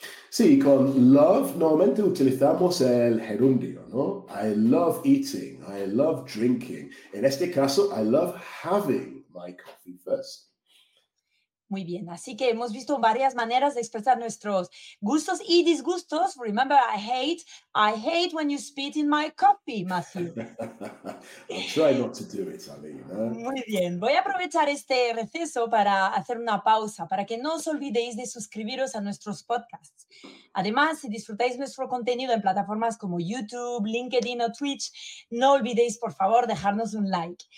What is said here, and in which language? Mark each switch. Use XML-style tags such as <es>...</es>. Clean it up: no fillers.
<es>Sí, con love normalmente utilizamos el gerundio, ¿no?</es> <en>I love eating, I love drinking. En este caso, I love having my coffee first.</en> <es>Muy bien, así que hemos visto varias maneras de expresar nuestros gustos y disgustos.</es> <en>Remember, I hate when you spit in my coffee, Matthew. I'll try not to do it, Alina.</en> <es>Muy bien, voy a aprovechar este receso para hacer una pausa, para que no os olvidéis de suscribiros a nuestros podcasts. Además, si disfrutáis nuestro contenido en plataformas como YouTube, LinkedIn o Twitch, no olvidéis, por favor, dejarnos un like.</es>